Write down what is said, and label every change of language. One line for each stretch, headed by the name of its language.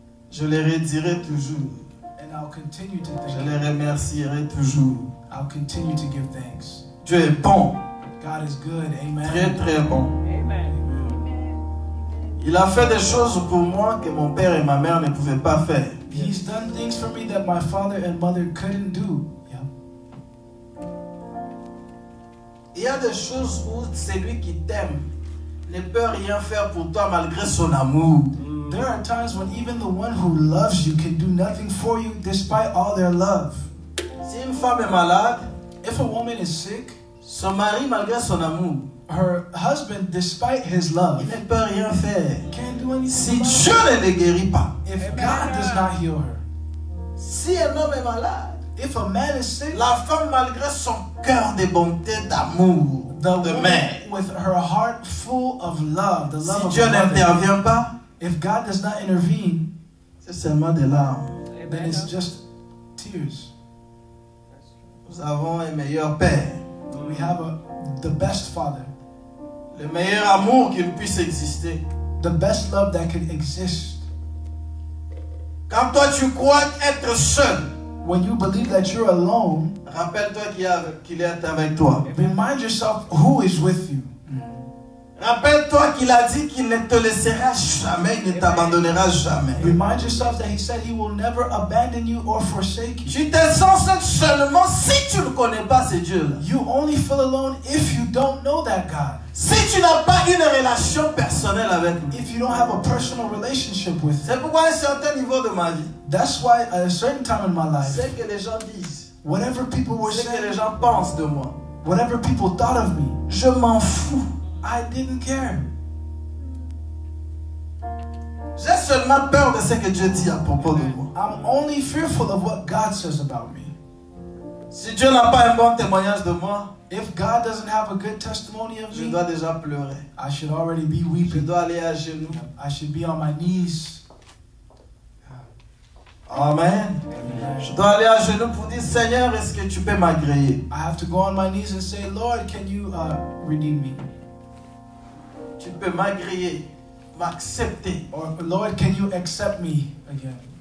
French: Je les redirai toujours.
English: I'll continue to thank.
French: Je les remercierai toujours.
English: I'll continue to give thanks.
French: Dieu est bon.
English: God is good. Amen.
French: Très très bon. Amen. Il a fait des choses pour moi que mon père et ma mère ne pouvaient pas faire.
English: He's done things for me that my father and mother couldn't do.
French: Il y a des choses où celui qui t'aime ne peut rien faire pour toi malgré son amour.
English: There are times when even the one who loves you can do nothing for you despite all their love.
French: Si une femme est malade,
English: if a woman is sick,
French: son mari, malgré son amour,
English: her husband, despite his love,
French: il ne peut rien faire.
English: Can't do anything.
French: Si Dieu ne le guérit pas,
English: if God does not heal her,
French: si un homme est malade,
English: if a man is sick,
French: la femme malgré son cœur de bonté, d'amour,
English: the
French: de mère,
English: with her heart full of love, the love
French: si
English: of
French: Dieu n'intervient pas,
English: if God does not intervene,
French: c'est seulement des larmes.
English: Then it's just tears.
French: Nous avons un meilleur père.
English: We have the best father.
French: Le meilleur amour qui puisse exister.
English: The best love that can exist.
French: Quand toi tu crois être seul,
English: when you believe that you're alone,
French: rappelle-toi qu'il est avec toi.
English: Remind yourself who is with you.
French: Rappelle-toi qu'il a dit qu'il ne te laissera jamais, il ne t'abandonnera jamais.
English: Remind yourself that he said he will never abandon you or forsake you.
French: Tu te sens seul seulement si tu ne connais pas ce Dieu-là.
English: You only feel alone if you don't know that God.
French: Si tu n'as pas une relation personnelle avec lui.
English: If you don't have a personal relationship with him.
French: C'est pourquoi à un certain niveau de ma vie.
English: That's why at a certain time in my life.
French: C'est que les gens disent.
English: Whatever people were saying.
French: C'est que les gens pensent de moi.
English: Whatever people thought of me.
French: Je m'en fous.
English: I didn't care.
French: J'ai seulement peur de ce que Dieu dit à propos de moi.
English: I'm only fearful of what God says about me.
French: Si Dieu n'a pas un bon témoignage de moi,
English: if God doesn't have a good testimony of
French: je
English: me,
French: dois déjà pleurer.
English: I should already be weeping.
French: Je dois aller à genoux.
English: I should be on my knees. Amen.
French: Je dois aller à genoux pour dire, Seigneur, est-ce que tu peux m'agréer?
English: I have to go on my knees and say, Lord, can you redeem me?
French: Tu peux m'agréer, m'accepter.
English: Or, Lord, can you accept me again?